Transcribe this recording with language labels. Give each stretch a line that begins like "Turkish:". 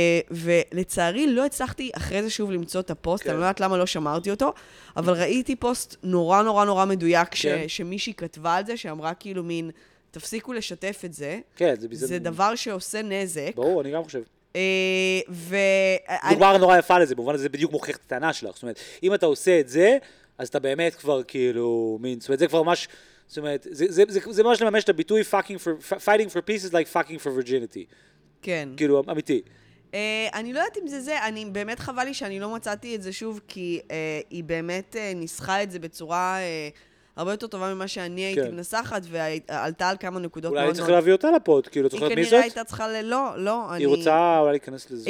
Hebrew: ולצערי לא הצלחתי אחרי זה שוב למצוא את הפוסט, אני לא יודעת למה לא שמרתי אותו, אבל ראיתי פוסט נורא נורא נורא מדויק שמישהי כתבה על זה, שאמרה כאילו מין, תפסיקו לשתף את זה. כן, זה בזה... זה דבר שעושה נזק. ברור, אני גם חושב. ו... דוגמה נורא יפה לזה, במובן הזה בדיוק מוכיח את הטענה שלך. זאת אומרת, אם אתה עושה את זה, אז אתה באמת כבר כאילו מין, זאת אומרת, זה כבר ממש... זאת אומרת, זה ממש לממש את הביטוי
English: fighting for peace is like fucking for virginity.
Hebrew: כן. כאילו, אמיתי. אני לא יודעת אם זה, אני באמת חבל לי שאני לא מצאתי את זה שוב, כי היא באמת ניסחה את זה בצורה הרבה יותר טובה ממה שאני הייתי מנסחת, ועלתה על כמה נקודות. אולי צריך להביא אותה לפוד, כאילו, היא כנראה הייתה צריכה לא, לא. היא רוצה אולי להיכנס לזה.